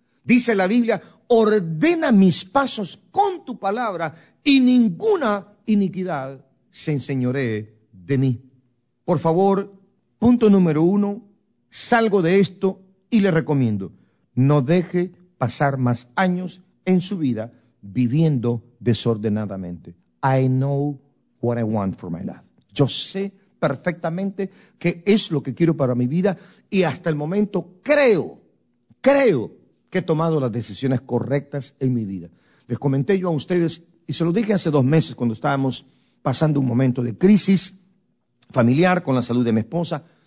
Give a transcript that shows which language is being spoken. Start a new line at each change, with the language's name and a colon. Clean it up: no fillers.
Spanish: Dice la Biblia, ordena mis pasos con tu palabra y ninguna iniquidad se enseñoree de mí. Por favor, punto número uno, salgo de esto y le recomiendo, no deje pasar más años en su vida viviendo desordenadamente.
English: I know what I want for my life.
Spanish: Yo sé perfectamente qué es lo que quiero para mi vida y hasta el momento creo que he tomado las decisiones correctas en mi vida. Les comenté yo a ustedes y se lo dije hace 2 meses cuando estábamos pasando un momento de crisis familiar con la salud de mi esposa.